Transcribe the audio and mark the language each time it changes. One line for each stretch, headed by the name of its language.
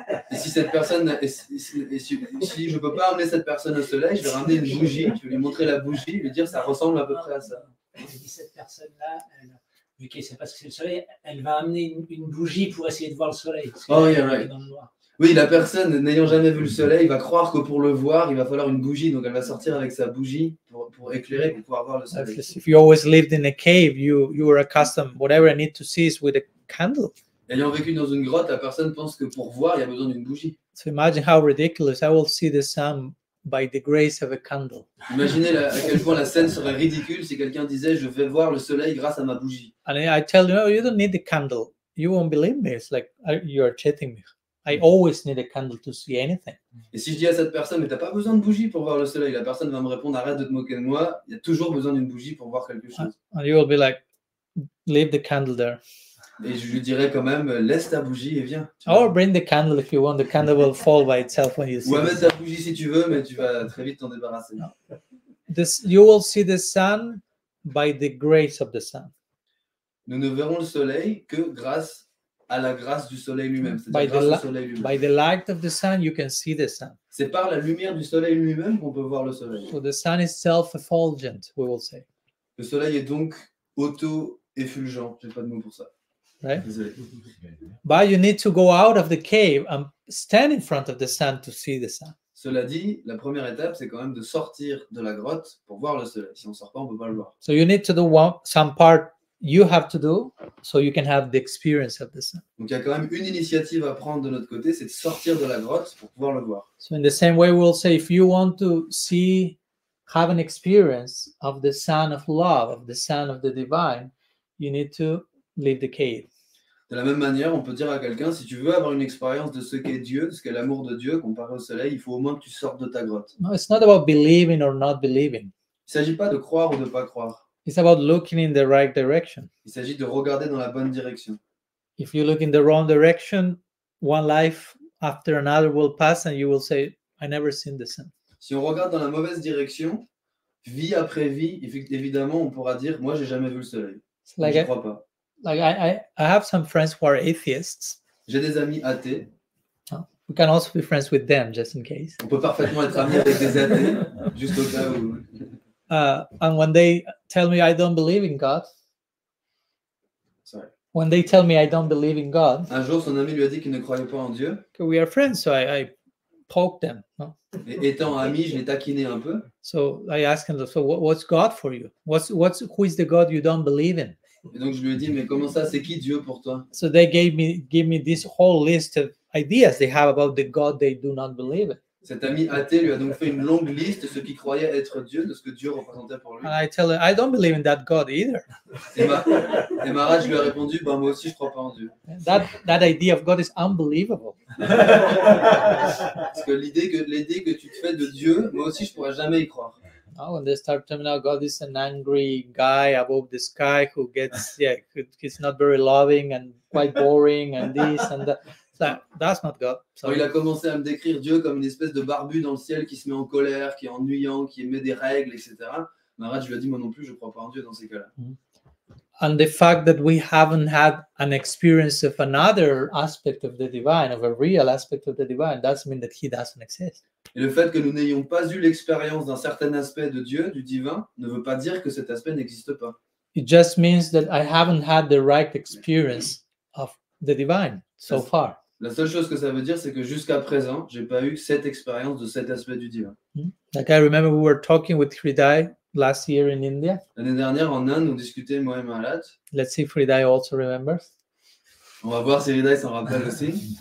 French: Et si cette personne, si je peux pas amener cette personne au soleil, je vais ramener une bougie, je vais lui montrer la bougie, lui dire ça ressemble à peu près à ça. Si cette personne-là, vu qu'elle sait pas ce que c'est le soleil, elle va amener une bougie pour essayer de voir le soleil.
English: Oh yeah, right.
French: Oui, la personne n'ayant jamais vu le soleil va croire que pour le voir, il va falloir une bougie. Donc, elle va sortir avec sa bougie pour éclairer, pour pouvoir voir le soleil.
English: If you always lived in a cave, you were accustomed, whatever I need to see is with a candle.
French: Ayant vécu dans une grotte, la personne pense que pour voir, il y a besoin d'une bougie.
English: So imagine how ridiculous, I will see the sun by the grace of a candle.
French: Imaginez à quel point la scène serait ridicule si quelqu'un disait, je vais voir le soleil grâce à ma bougie.
English: And I tell you, no, you don't need the candle. You won't believe me. It's like, you are cheating me. I always need a candle to see anything.
French: Et si je dis à cette personne, mais t'as pas besoin de bougie pour voir le soleil, la personne va me répondre, arrête de te moquer de moi, il y a toujours besoin d'une bougie pour voir quelque chose.
English: And you will be like, leave the candle there.
French: Et je lui dirais quand même, laisse ta bougie et viens.
English: Or bring the candle if you want, the candle will fall by itself when you see.
French: Ou amène ta bougie si tu veux, mais tu vas très vite t'en débarrasser.
English: No. This, you will see the sun by the grace of the sun.
French: Nous ne verrons le soleil que grâce à la grâce du soleil lui-même, c'est-à-dire grâce au soleil lui-même.
English: By the light of the sun, you can see the sun.
French: C'est par la lumière du soleil lui-même qu'on peut voir le soleil.
English: So the sun is self-effulgent, we will say.
French: Le soleil est donc auto-effulgent. J'ai pas de mot pour ça.
English: Right? But you need to go out of the cave and stand in front of the sun to see the sun.
French: Cela dit, la première étape, c'est quand même de sortir de la grotte pour voir le soleil. Si on sort pas, on peut pas le voir.
English: So you need to do some part you have to do so you can have the experience of the sun.
French: Donc il y a quand même une initiative à prendre de notre côté, c'est de sortir de la grotte pour pouvoir le voir.
English: So in the same way, we'll say if you want to see, have an experience of the sun of love, of the sun of the divine, you need to leave the cave.
French: De la même manière, on peut dire à quelqu'un, si tu veux avoir une expérience de ce qu'est Dieu, de ce qu'est l'amour de Dieu comparé au soleil, il faut au moins que tu sortes de ta grotte.
English: No, it's not about believing or not believing.
French: Il ne s'agit pas de croire ou de ne pas croire.
English: It's about looking in the right direction.
French: Il s'agit de regarder dans la bonne direction.
English: If you look in the wrong direction, one life after another will pass and you will say, I never seen the sun.
French: Si on regarde dans la mauvaise direction, vie après vie, évidemment, on pourra dire, moi, je n'ai jamais vu le soleil. Je ne crois pas.
English: Like I have some friends who are atheists.
French: J'ai des amis athées.
English: We can also be friends with them, just in case.
French: On peut parfaitement être amis avec des athées, juste au cas où.
English: And when they tell me I don't believe in God. Sorry. When they tell me I don't believe in God.
French: Un jour, son ami lui a dit qu'il ne croyait pas en Dieu.
English: Que we are friends, so I poked them. No?
French: Et étant amis, je l'ai taquiné un peu.
English: So I asked him, so what's God for you? What's who is the God you don't believe in?
French: Et donc je lui ai dit, mais comment ça, c'est qui Dieu pour toi?
English: So they gave me this whole list of ideas they have about the God they do not believe in.
French: Cet ami athée lui a donc fait une longue liste de ce qu'il croyait être Dieu, de ce que Dieu représentait pour lui.
English: And I tell him, I don't believe in that God either.
French: Et Maharaj lui a répondu, ben moi aussi je crois pas en Dieu.
English: That idea of God is unbelievable.
French: Parce que l'idée que tu te fais de Dieu, moi aussi je pourrais jamais y croire.
English: Oh, and they start telling me, God is an angry guy above the sky who gets, he's not very loving and quite boring and this and that. That's not God.
French: Oh, il a commencé à me décrire Dieu comme une espèce de barbu dans le ciel qui se met en colère, qui est ennuyant, qui émet des règles, etc. Maharaj lui a dit, moi non plus, je ne crois pas en Dieu dans ces cas-là.
English: And the fact that we haven't had an experience of another aspect of the divine, of a real aspect of the divine, doesn't mean that he doesn't exist.
French: Et le fait que nous n'ayons pas eu l'expérience d'un certain aspect de Dieu, du divin, ne veut pas dire que cet aspect n'existe pas.
English: It just means that I haven't had the right experience of the divine so far.
French: La seule chose que ça veut dire, c'est que jusqu'à présent, j'ai pas eu cette expérience de cet aspect du divin.
English: Like I remember we were talking with Hriday last year in India.
French: L'année dernière en Inde, on discutait moi et Maharaj.
English: Let's see if Hriday also remembers.
French: On va voir si Hriday s'en rappelle aussi.